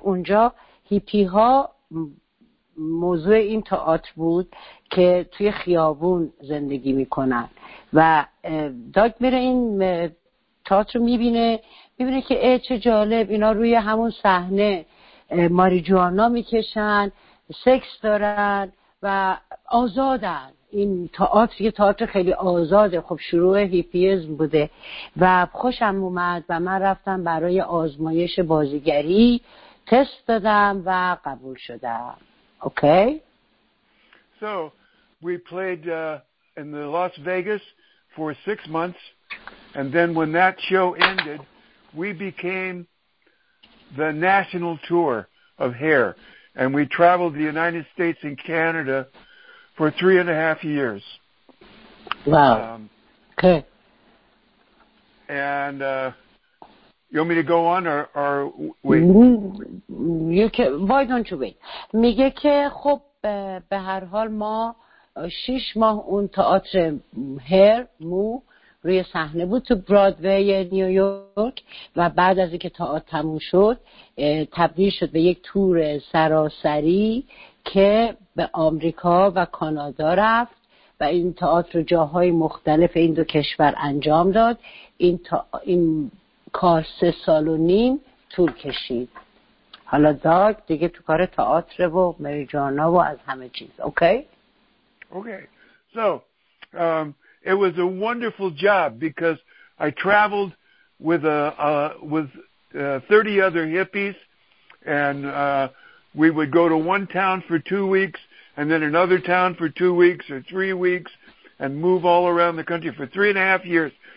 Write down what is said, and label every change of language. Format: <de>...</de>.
<fa>اونجا هیپی ها، موضوع این تئاتر بود که توی خیابون زندگی میکنن و داگ میره این تئاتر رو میبینه که چه جالب، اینا روی همون صحنه ماریجوانا میکشن، سکس دارن و آزادن. این تئاتر یه تئاتر خیلی آزاده، خب شروع هیپیزم بوده و خوشم اومد و من رفتم برای آزمایش بازیگری تست دادم و قبول شدم. اوکی؟</fa> <en>So we played in the Las Vegas for 6 months and then when that show ended we became the national tour of Hair and we traveled the United States and Canada for 3.5 years. Wow. Okay. And you want me to go on or wait? You can, why don't you wait?</en> <fa>میگه که خب به هر حال ما 6 ماه اون تئاتر هر مو روی صحنه بود تو برادوی نیویورک و بعد از اینکه تئاتر تموم شد تبدیل شد به یک تور سراسری که به آمریکا و کانادا رفت و این تئاتر رو جاهای مختلف این دو کشور انجام داد. این کار 3.5 سال طول کشید. حالا داگ دیگه تو کار تئاتر و مری جانا و از همه چیز. اوکی.</fa> <en>So it was a wonderful job because I traveled with 30 other hippies and we would go to one town for 2 weeks and then another town for 2 weeks or 3 weeks and move all around the country for 3.5 years.</en>